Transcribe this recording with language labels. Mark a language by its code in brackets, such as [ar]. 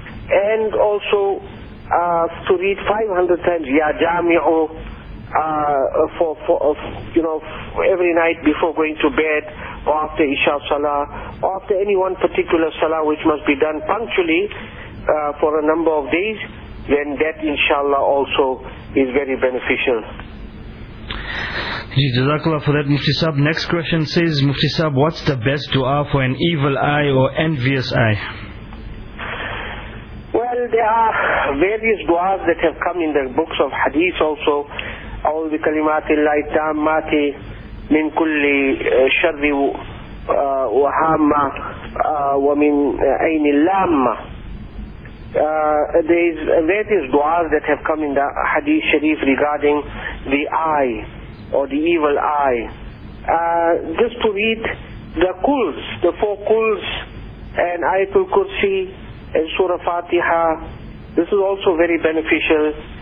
[en] And also to read 500 times ya jami'u for every night before going to bed, or after Isha Salah, or after any one particular Salah which must be done punctually for a number of days, then that inshallah also is very beneficial. Jazakallah for that, Mufti Sahib. Next question says, Mufti Sahib, what's the best dua for an evil eye or envious eye? Well, there are various duas that have come in the books of hadith also. [ar] أعوذ بكلمات الله التامات من كل شر وهامة ومن عين اللامة. [en] There is various du'as that have come in the Hadith Sharif regarding the eye or the evil eye. Just to read the kuls, the 4 kuls and Ayatul Kursi and Surah Fatiha, this is also very beneficial.